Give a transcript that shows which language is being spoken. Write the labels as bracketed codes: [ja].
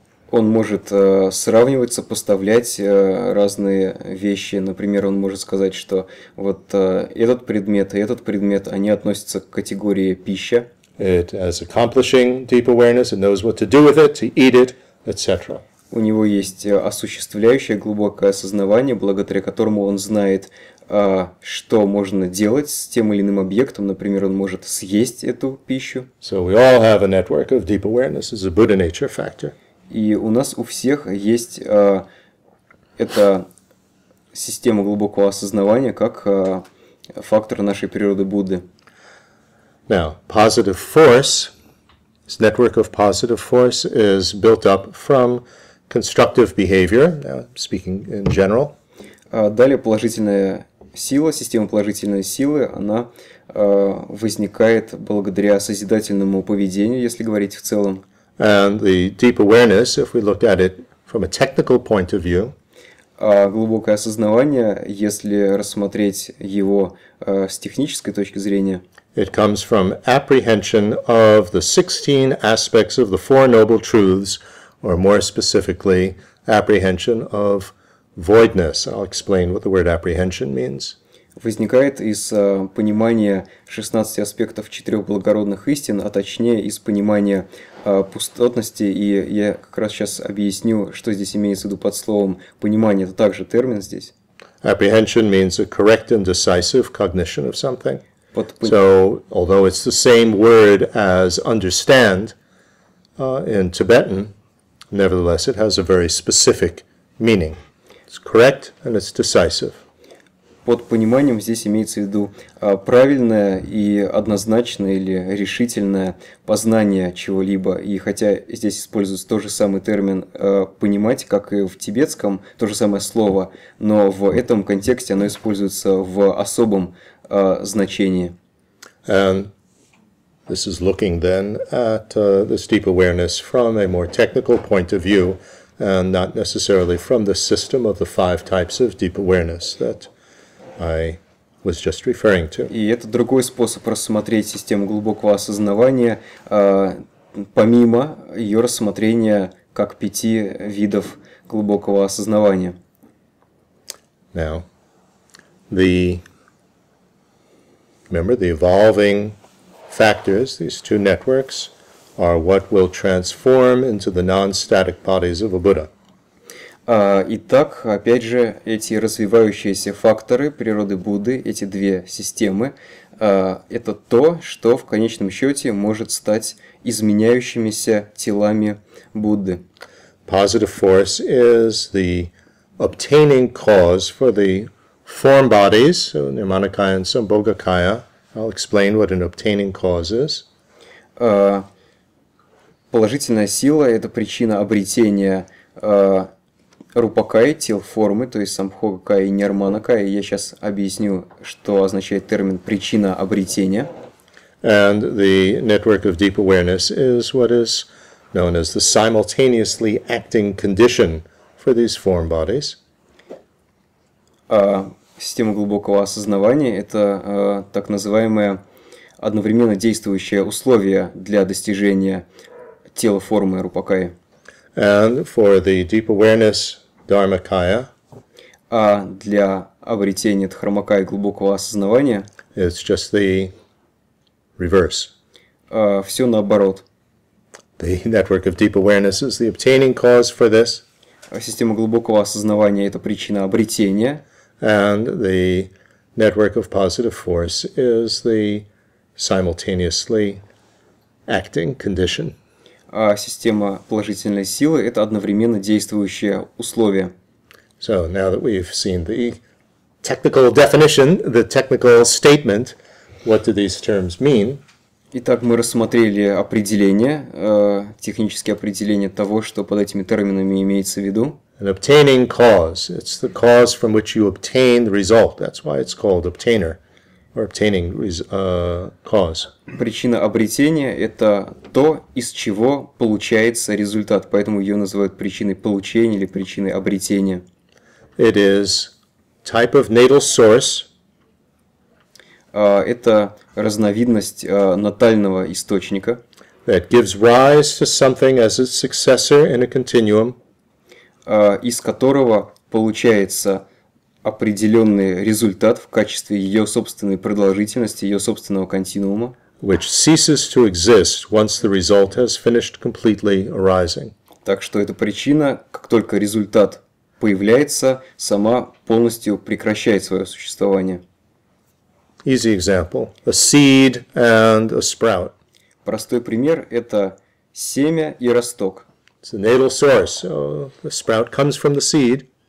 [ru] Он может сравнивать, сопоставлять разные вещи. Например, он может сказать, что вот этот предмет и этот предмет, они относятся к категории пища. [en] It is accomplishing deep awareness and knows what to do with it, to eat it, etc. [ru] У него есть осуществляющее глубокое осознавание, благодаря которому он знает, что можно делать с тем или иным объектом. Например, он может съесть эту пищу. [en] So we all have a network of deep awareness as a Buddha nature factor. [ru] И у нас у всех есть эта система глубокого осознавания как фактор нашей природы Будды. [en] Now, positive force, this network of positive force is built up from constructive behavior, speaking in general. [ru] Далее положительная сила, система положительной силы, она возникает благодаря созидательному поведению, если говорить в целом. [en] And the deep awareness, if we look at it from a technical point of view, [ru] глубокое осознавание, если рассмотреть его с технической точки зрения, [en] it comes from apprehension of the 16 aspects of the Four Noble Truths, or more specifically, apprehension of voidness. I'll explain what the word apprehension means. [ru] Возникает из понимания 16 аспектов четырех благородных истин, а точнее из понимания пустотности. И я как раз сейчас объясню, что здесь имеется в виду под словом понимание. Это также термин здесь. [en] Apprehension means a correct and decisive cognition of something. So, although it's the same word as understand in Tibetan, nevertheless, it has a very specific meaning. It's correct and it's decisive. [ru] Под пониманием здесь имеется в виду правильное и однозначное или решительное познание чего-либо. И хотя здесь используется тот же самый термин «понимать», как и в тибетском, то же самое слово, но в этом контексте оно используется в особом значении. [en] And this is looking then at this deep awareness from a more technical point of view and not necessarily from the system of the five types of deep awareness that I was just referring to. [ru] И это другой способ рассмотреть систему глубокого осознавания, помимо ее рассмотрения как пяти видов глубокого осознавания. [en] Now, remember, the evolving factors, these two networks, are what will transform into the non-static bodies of a Buddha. [ru] Итак, опять же, эти развивающиеся факторы природы Будды, эти две системы, это то, что в конечном счете может стать изменяющимися телами Будды. [en] Positive force is the obtaining cause for the form bodies, so Nirmanakaya and Sambhogakaya. I'll explain what an obtaining cause is. [ru] Положительная сила – это причина обретения Рупакая, тел формы, то есть самхогакая и нирманакая. Я сейчас объясню, что означает термин «причина обретения». [en] And the network of deep awareness is what is known as the simultaneously acting condition for these form bodies. [ru] Система глубокого осознавания – это так называемое одновременно действующее условие для достижения тело формы рупакая. [en] And for the deep awareness, dharmakaya. [ru] А для обретения дхармакая глубокого осознавания. [en] It's just the reverse. [ru] Все наоборот. [en] The network of deep awareness is the obtaining cause for this. [ru] Система глубокого осознавания – это причина обретения. [en] And the network of positive force is the simultaneously acting condition. [ru] А система положительной силы – это одновременно действующее условие. [en] So, now that we've seen the technical definition, the technical statement, what do these terms mean? [ru] Итак, мы рассмотрели определение, технические определения того, что под этими терминами имеется в виду. [en] An obtaining cause. It's the cause from which you obtain the result. That's why it's called obtainer, or obtaining cause. [ru] Причина обретения – это то, из чего получается результат. Поэтому ее называют причиной получения или причиной обретения. [en] It is type of natal source. [ru] Это разновидность натального источника. [en] That gives rise to something as its successor in a continuum. [ru] Из которого получается определенный результат в качестве ее собственной продолжительности, ее собственного континуума. [en] Which ceases to exist once the result has finished completely arising. [ru] Так что эта причина, как только результат появляется, сама полностью прекращает свое существование. [en] Easy example. A seed and a sprout. [ru] Простой пример – это семя и росток. [en] It's a natal source, so the sprout comes from the seed.